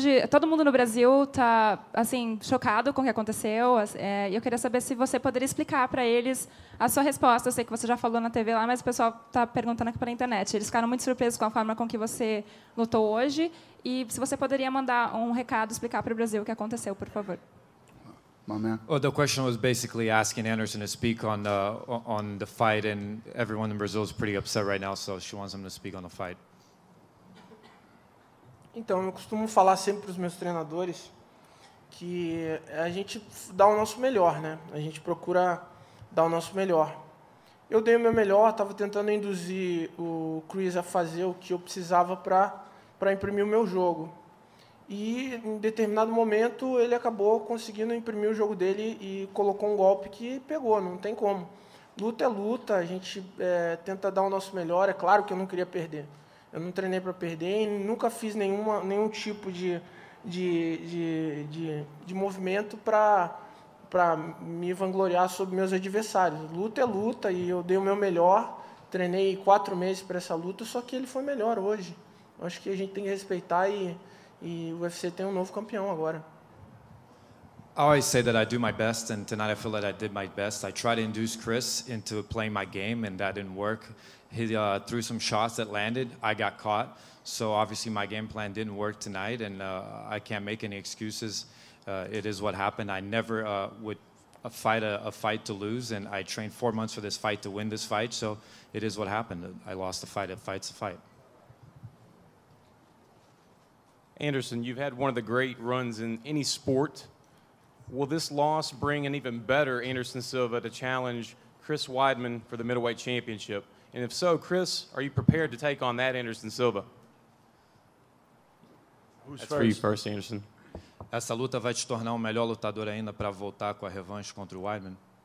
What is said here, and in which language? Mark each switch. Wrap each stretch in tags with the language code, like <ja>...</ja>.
<pt>Todo mundo no Brasil está assim, chocado com o que aconteceu. Eu queria saber se você poderia explicar para eles a sua resposta. Eu sei que você já falou na TV lá, mas o pessoal está perguntando aqui pela internet. Eles ficaram muito surpresos com a forma com que você lutou hoje. E se você poderia mandar um recado, explicar para o Brasil o que aconteceu, por favor.</pt> <en>my man. Well, the question was basically asking Anderson to speak on the fight, and everyone in Brazil is pretty upset right now, so she wants him to speak on the fight.</en> <pt>Então, eu costumo falar sempre para os meus treinadores que a gente dá o nosso melhor, né? A gente procura dar o nosso melhor. Eu dei o meu melhor, estava tentando induzir o Chris a fazer o que eu precisava para imprimir o meu jogo. E, em determinado momento, ele acabou conseguindo imprimir o jogo dele e colocou um golpe que pegou, não tem como. Luta é luta, a gente tenta dar o nosso melhor, é claro que eu não queria perder. Eu não treinei para perder e nunca fiz nenhum tipo de movimento para me vangloriar sobre meus adversários. Luta é luta e eu dei o meu melhor. Treinei 4 meses para essa luta, só que ele foi melhor hoje. Acho que a gente tem que respeitar e o UFC tem um novo campeão agora.</pt> <en>I always say that I do my best, and tonight I feel that I did my best. I tried to induce Chris into playing my game, and that didn't work. He threw some shots that landed. I got caught. So obviously my game plan didn't work tonight, and I can't make any excuses. It is what happened. I never would fight a fight to lose, and I trained 4 months for this fight to win this fight. So it is what happened. I lost the fight. A fight's a fight. Anderson, you've had one of the great runs in any sport. Will this loss bring an even better Anderson Silva to challenge Chris Weidman for the middleweight championship? And if so, Chris, are you prepared to take on that Anderson Silva? Who's first? That's for you first, Anderson.</en> <pt>Essa luta vai te tornar um melhor lutador ainda para voltar com a revanche contra o Weidman?</pt>